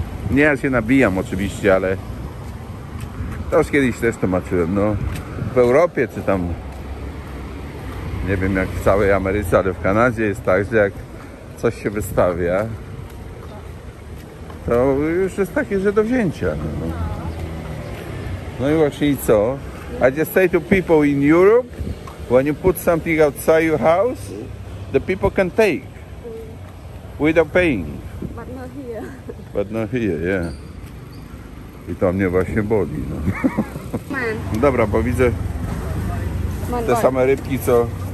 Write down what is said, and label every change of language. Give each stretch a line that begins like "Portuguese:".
Polish: Nie, ja się nabijam oczywiście, ale to już kiedyś też tłumaczyłem, no w Europie czy tam, nie wiem jak w całej Ameryce, ale w Kanadzie jest tak, że jak coś się wystawia, to już jest takie, że do wzięcia. No i właśnie i co?
English: I just say to people in Europe, when you put something outside your house, the people can take without paying. But not here, yeah.
Polish: I to mnie właśnie boli, no.
English: Man.
Polish: Dobra, bo widzę te same rybki, co...